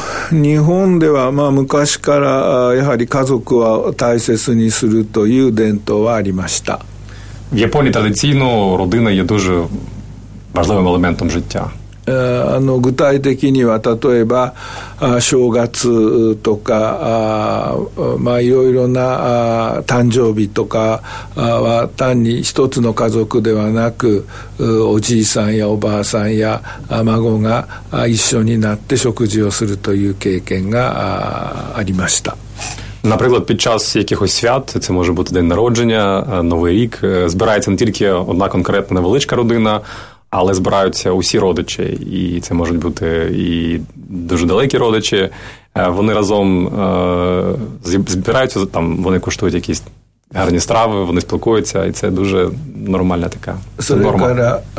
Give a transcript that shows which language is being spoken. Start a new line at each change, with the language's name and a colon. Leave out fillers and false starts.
Japanese: 日本では、まあ、昔からやはり家族は大切にするという伝統はありました。
Russian: В Японии
Ukrainian: традиционно родина є дуже важливим елементом життя。
Japanese: 具体的には例えば正月とか、まあ、いろいろな誕生日とかは単に一つの家族ではなく、おじいさんやおばあさんや孫が一緒になって食事をするという経験がありました。
Ukrainian: Наприклад, під час якихось свят, це може бути день народження, Новий рік, збирається не тільки одна конкретна невеличка родина, але збираються усі родичі, і це можуть бути і дуже далекі родичі. Вони разом збираються, там, вони куштують якісь гарні страви, вони спілкуються, і це дуже нормальна така норма.